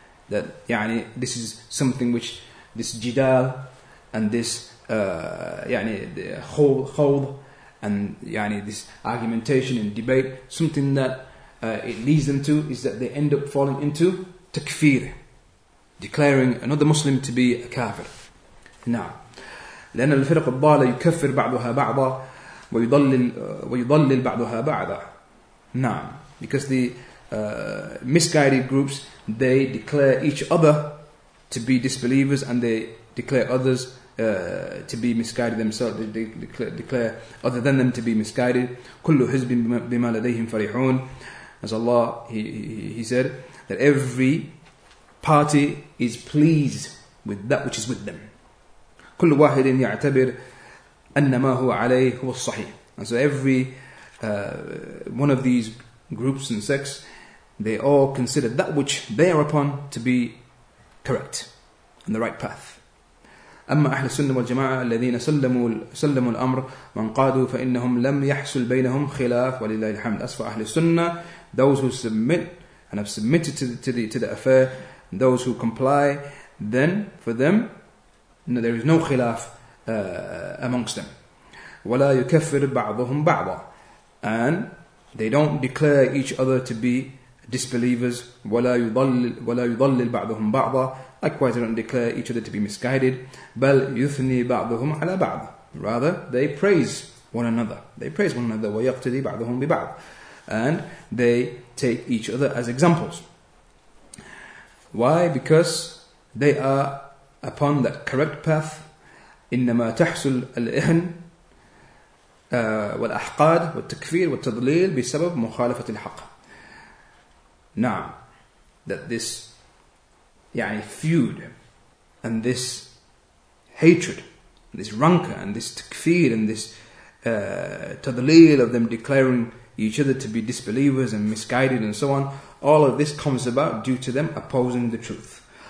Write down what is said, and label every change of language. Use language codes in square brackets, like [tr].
[en] That يعني, this is something which this jidal and this يعني, the khawd and يعني, this argumentation and debate, something that it leads them to is that they end up falling into takfir, declaring another Muslim to be a kafir. [ar] Now, لأن الفرق الضالة يكفر بعضها بعضا ويضلل بعضها بعضا. نعم. [en] Because the misguided groups, they declare each other to be disbelievers, and they declare others to be misguided themselves. They declare other than them to be misguided. [ar] كل حزب بما لديهم فرحون. [en] As Allah, he said, that every party is pleased with that which is with them. [ar] كل واحد يعتبر أن ما هو عليه هو الصحيح. [en] And so every one of these groups and sects, they all consider that which they are upon to be correct and the right path. [ar] أما أهل السنة والجماعة الذين سلموا الأمر وانقادوا فإنهم لم يحصل بينهم خلاف ولله الحمد. [en] As for أهل السنة, those who submit and have submitted to the affair, those who comply, then for them, no, there is no khilaf amongst them. [ar] وَلَا يُكَفِّرْ بَعْضُهُمْ بَعْضًا, [en] and they don't declare each other to be disbelievers. [ar] وَلَا يُضَلِّلْ بَعْضُهُمْ بَعْضًا, [en] likewise they don't declare each other to be misguided. [ar] بَلْ يُثْنِي بَعْضُهُمْ عَلَى بَعْضًا, [en] rather they praise one another. They praise one another. [ar] وَيَقْتَدِي بَعْضُهُمْ بِبَعْضًا, [en] and they take each other as examples. Why? Because they are upon that correct path. [ar] إنما تحصل الإهن والأحقاد والتكفير والتضليل بسبب مخالفة الحق. نعم. [en] That this يعني feud and this hatred, this rancor and this تكفير and this تضليل of them declaring each other to be disbelievers and misguided and so on, all of this comes about due to them opposing the truth.